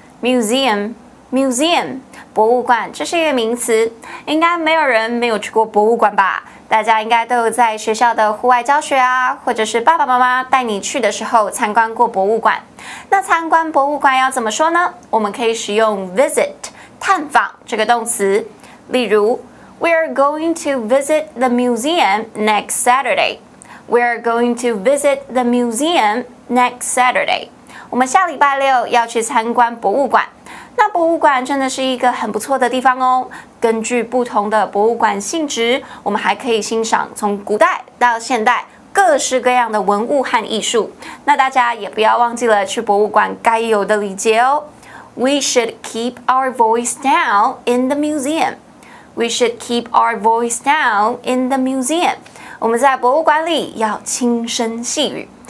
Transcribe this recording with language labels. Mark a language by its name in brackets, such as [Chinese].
[Chinese] Museum, museum, 博物馆，这是一个名词。应该没有人没有去过博物馆吧？大家应该都有在学校的户外教学啊，或者是爸爸妈妈带你去的时候参观过博物馆。那参观博物馆要怎么说呢？我们可以使用 visit, 探访这个动词。 [English] 例如 ,We are going to visit the museum next Saturday. We are going to visit the museum next Saturday. [Chinese] 我们下礼拜六要去参观博物馆。那博物馆真的是一个很不错的地方哦。根据不同的博物馆性质，我们还可以欣赏从古代到现代各式各样的文物和艺术。那大家也不要忘记了去博物馆该有的礼节哦。 [English] We should keep our voice down in the museum. We should keep our voice down in the museum. [Chinese] 我们在博物馆里要轻声细语。